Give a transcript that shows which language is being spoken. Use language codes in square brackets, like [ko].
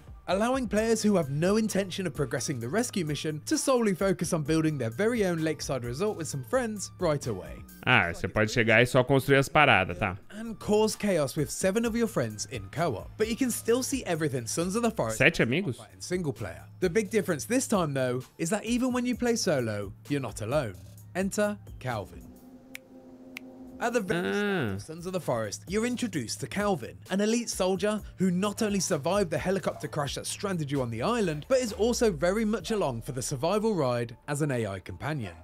[en] Allowing players who have no intention of progressing the rescue mission to solely focus on building their very own lakeside resort with some friends right away. [pt] Ah, você pode chegar e só construir as paradas, tá? [en] And cause chaos with 7 of your friends in co-op. But you can still see everything Sons of the Forest. [pt] 7 amigos? [en] In single player. The big difference this time though is that even when you play solo, you're not alone. Enter Calvin. At the very start of Sons of the Forest, you're introduced to Calvin, an elite soldier who not only survived the helicopter crash that stranded you on the island, but is also very much along for the survival ride as an AI companion.